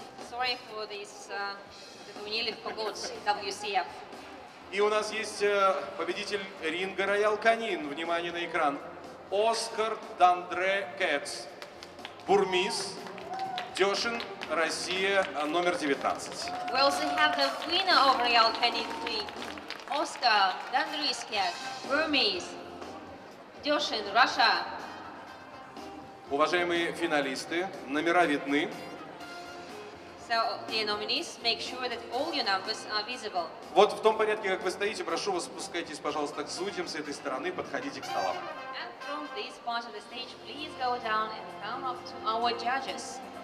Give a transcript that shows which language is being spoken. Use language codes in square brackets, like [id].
[en] Sorry for this, we forgot WCF. [ru] И у нас есть победитель Ринга Роял Канин. Внимание на экран. Оскар Дандре Кэтс, Бурмис, Дёшин, Россия, номер 19. [en] We also have the winner of Royal Canin 3. [ru] Оскар Дандре Кэтс, Бурмис, Дёшин, Россия. Уважаемые финалисты, номера видны. [en] So, dear nominees, make sure that all your numbers are visible. [ru] Вот в том порядке, как вы стоите, прошу вас, спускайтесь, пожалуйста, к судьям с этой стороны, подходите к столам. [en] This part of the stage, please go down and come up to our judges.